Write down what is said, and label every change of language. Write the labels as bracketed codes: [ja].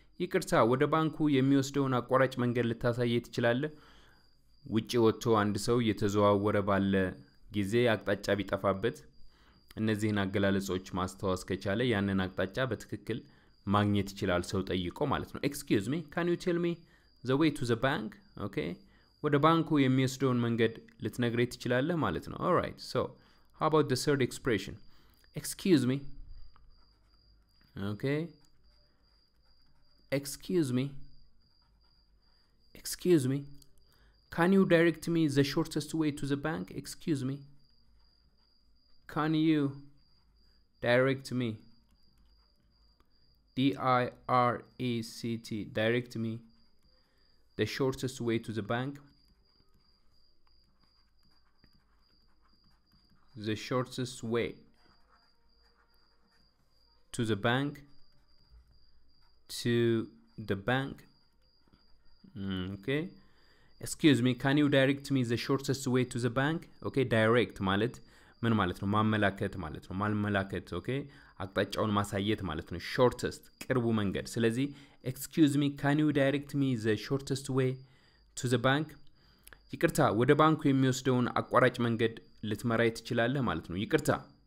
[am] ይቅርታ ወደ ባንኩ የሚወስደውን አቋራጭ መንገድ ልታሳይ ትችላለህ? ውጪ ወጥቶ አንድ ሰው የተዘዋወረ ባለ ጊዜ አቅጣጫ ቢጠፋበት እነዚህን አገላለጾች ማስተዋስ ከቻለ ያንን አቅጣጫ በትክክል ማግኘት ይችላል ሰው ጠይቆ ማለት ነው። [en] excuse me can you tell me the way to the bank? okay [am] ወደ ባንኩ የሚወስደውን መንገድ ልትነግረኝ ትችላለህ ማለት ነው። [en] all right so how about the third expression? excuse me okay excuse me can you direct me the shortest way to the bank? excuse me can you direct me direct direct me the shortest way to the bank the shortest way to the bank to the bank okay excuse me can you direct me the shortest way to the bank? [am] okay direct ማለት ምን ማለት ነው? ማመላከት ማለት ነው። ማመላከት okay አቅጣጫውን ማሳየት ማለት ነው። shortest ቅርቡ መንገድ። ስለዚህ [en] excuse me can you direct me the shortest way to the bank? [am] ይቅርታ ወደ ባንኩ የሚወስደውን አቋራጭ መንገድ ልትመራይ ትችላለህ ማለት ነው። ይቅርታ